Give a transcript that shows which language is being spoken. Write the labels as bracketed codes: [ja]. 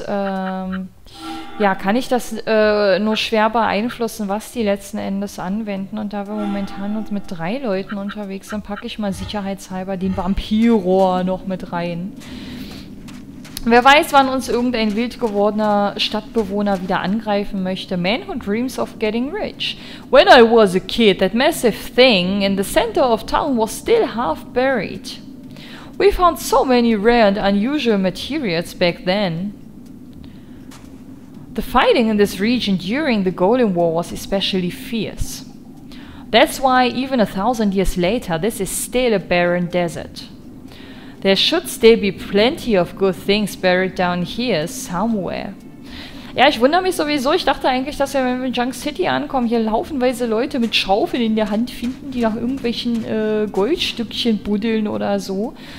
[de] ja, kann ich das nur schwer beeinflussen, was die letzten Endes anwenden. Und da wir momentan uns mit drei Leuten unterwegs sind, packe ich mal sicherheitshalber den Vampirrohr noch mit rein. Wer weiß, wann uns irgendein wild gewordener Stadtbewohner wieder angreifen möchte. [en] Man who dreams of getting rich. When I was a kid, that massive thing in the center of town was still half buried. We found so many rare and unusual materials back then. The fighting in this region during the Golden War was especially fierce. That's why even 1,000 years later this is still a barren desert. There should still be plenty of good things buried down here somewhere. [de] Ja, ich wundere mich sowieso. Ich dachte eigentlich, dass wir, wenn wir in Junk City ankommen, hier laufenweise Leute mit Schaufeln in der Hand finden, die nach irgendwelchen Goldstückchen buddeln oder so.